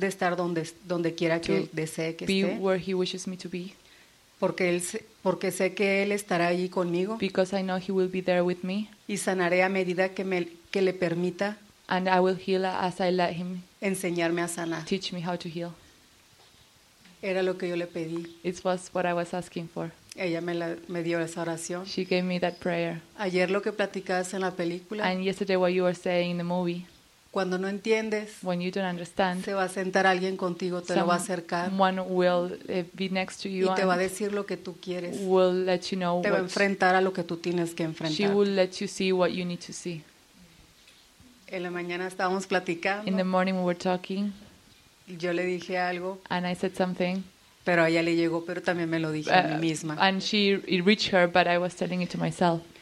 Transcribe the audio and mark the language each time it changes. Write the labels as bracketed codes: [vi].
[es] de estar donde quiera que él desee que [en] be [es] esté, [en] where he wishes me to be, [es] porque sé que él estará allí conmigo, [en] because I know he will be there with me, [es] y sanaré a medida que le permita, [en] and I will heal as I let him, [es] enseñarme a sanar, [en] teach me how to heal. [es] Era lo que yo le pedí. [en] It was what I was asking for. [es] Ella me dio esa oración. [en] She gave me that prayer. [es] Ayer lo que platicabas en la película. [en] And yesterday what you were saying in the movie. [es] Cuando no entiendes. [en] When you don't understand. [es] Se va a sentar alguien contigo, te lo va a acercar. [en] Someone will be next to you. [es] Y te va a decir lo que tú quieres. [en] Will let you know. [es] Te va a enfrentar a lo que tú tienes que enfrentar. [en] She will let you see what you need to see. [es] En la mañana estábamos platicando. [en] In the morning we were talking. [es] Yo le dije algo. [en] And I said something. [es] pero a ella le llegó, pero también me lo dije a mí misma. [en] And she it reached her, but I was telling it to myself.